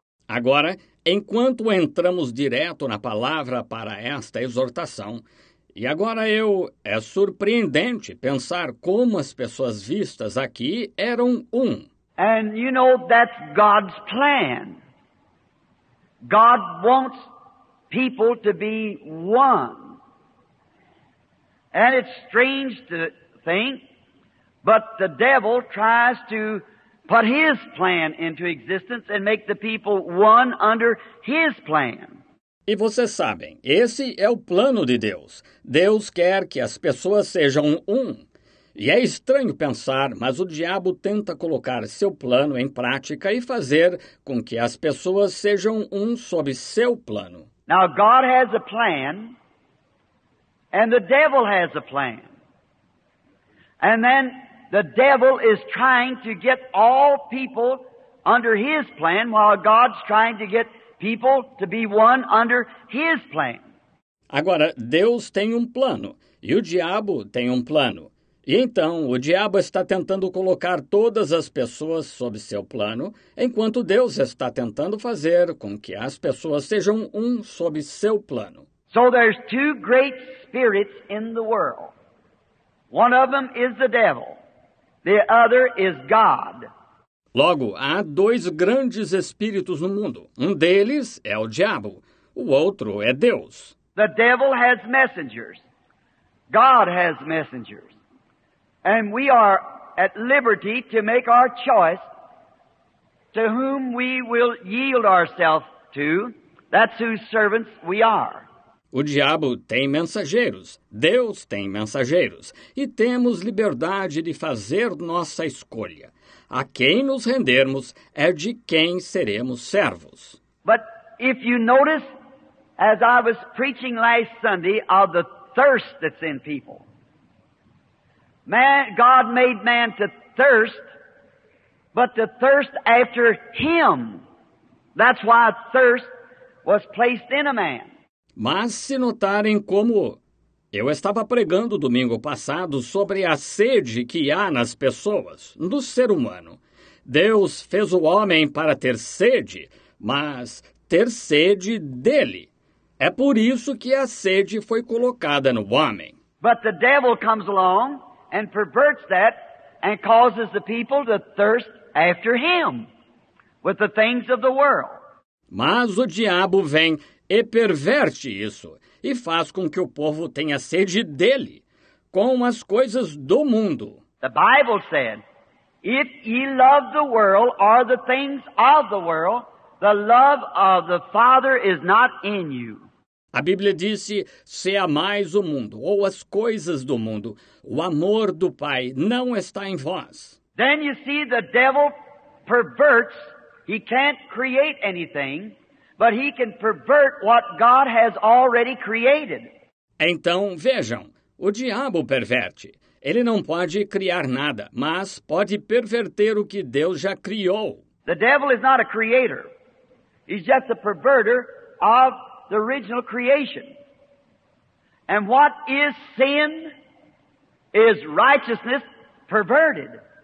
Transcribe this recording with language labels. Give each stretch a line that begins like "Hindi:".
Portuguese: Agora, enquanto entramos direto na palavra para esta exortação, e agora é surpreendente pensar como as pessoas vistas aqui eram um.
English: And you know that's God's plan. God wants people to be one. And it's strange to think, but the devil tries to put his plan into existence and make the people one under his plan.
Portuguese: E vocês sabem, esse é o plano de Deus. Deus quer que as pessoas sejam um. E é estranho pensar, mas o diabo tenta colocar seu plano em prática e fazer com que as pessoas sejam um sob seu plano.
English: Now, God has a plan, and the devil has a plan. And then the devil is trying to get all people under his plan, while God's trying to get people to be one under his plan.
Portuguese: Agora, Deus tem um plano, e o diabo tem um plano. E então, o diabo está tentando colocar todas as pessoas sob seu plano, enquanto Deus está tentando fazer com que as pessoas sejam um sob seu plano.
English: So there's two great spirits in the world. One of them is the devil. The other is God.
Portuguese: Logo, há dois grandes espíritos no mundo. Um deles é o diabo, o outro é Deus.
English: The devil has messengers. God has messengers. And we are at liberty to make our choice to whom we will yield ourselves to. That's whose servants we are.
Portuguese: O diabo tem mensageiros, Deus tem mensageiros, e temos liberdade de fazer nossa escolha. A quem nos rendermos é de quem seremos servos.
English: But if you notice, as I was preaching last Sunday, of the thirst that's in people. Man, God made man to thirst, but to thirst after him. That's why thirst was placed in a man.
Portuguese: Mas se notarem como eu estava pregando domingo passado sobre a sede que há nas pessoas, no ser humano. Deus fez o homem para ter sede, mas ter sede dele. É por isso que a sede foi colocada no homem.
English: But the devil comes along and perverts that and causes the people to thirst after him with the things of the world.
Portuguese: Mas o diabo vem e perverte isso e faz com que o povo tenha sede dele com as coisas do mundo.
English: The Bible said, if ye love the world or the things of the world, the love of the Father is not in you.
Portuguese: A Bíblia disse, se amais o mundo ou as coisas do mundo, o amor do Pai não está em vós.
English: Then you see the devil perverts. He can't create anything, but he can pervert what God has already created.
Portuguese: Então, vejam, o diabo perverte. Ele não pode criar nada, mas pode perverter o que Deus já criou.
English: The devil is not a creator. He's just a perverter of the original creation. And what is sin is righteousness perverted.